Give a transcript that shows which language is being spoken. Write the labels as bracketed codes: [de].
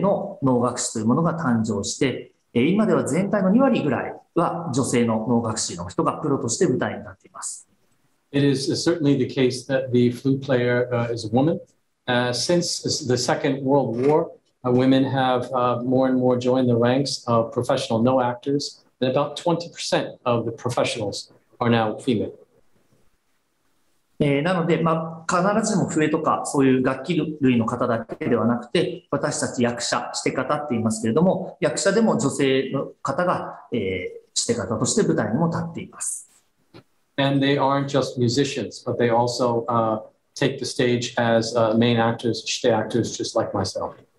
[ja] あの、笛の方はもしかして女性でしたか。能はその辺はどうですか？女性の役割とか。はい。笛の方おっしゃる通り女性の方でした。はい。第二次世界大戦の後から、プロの女性の能楽師というものが誕生して、 今では全体の2割ぐらいは女性の能楽師の人がプロとして舞台になっています。 [en] It is certainly the case that the flute player is a woman. Since the Second World War, women have more and more joined the ranks of professional no actors, and about 20% of the professionals are now female. [ja] なので、必ずしも笛とかそういう楽器類の方だけではなくて、私たち役者、して方って言いますけれども、役者でも女性の方が、して方として舞台にも立っています。 [en] And they aren't just musicians, but they also take the stage as main actors, して actors, just like myself.